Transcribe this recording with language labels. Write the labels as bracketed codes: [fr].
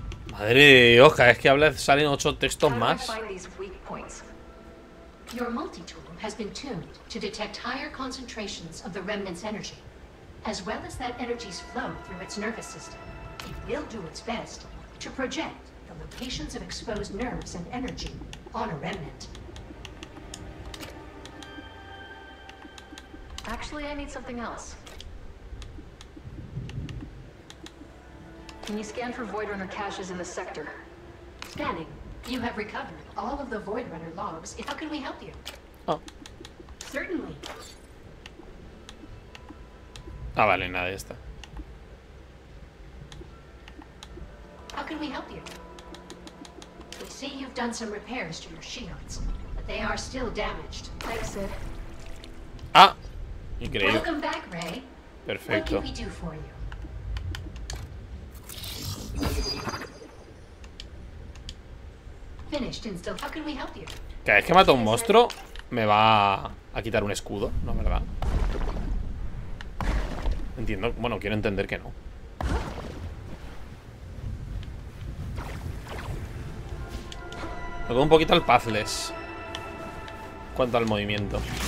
[es] Madre de Dios, cada vez que habla salen 8 textos más. [en] Your multi-tool has been tuned to detect higher concentrations of the remnant's energy, as well as that energy's flow through its nervous system. It will do its best to project the locations of exposed nerves and energy on a remnant. Actually, I need something else. Can you scan for Voidrunner caches in the sector? Scanning. You have recovered all of the Voidrunner logs. How can we help you? Oh. Certainly. [es] Ah, vale, nada, ya está. [en] How can we help you? We see you've done some repairs to your shields, but they are still damaged. Thanks, Sid. [es] Ah, increíble. [en] Welcome back, Ray. [es] Perfecto. [en] What can we do for you? Finished and still, how can we help you? [es] Cada vez que mato a un monstruo, me va a quitar un escudo, ¿no? ¿Verdad? Entiendo, bueno, quiero entender que no. Tengo un poquito al puzzles. Cuanto al movimiento.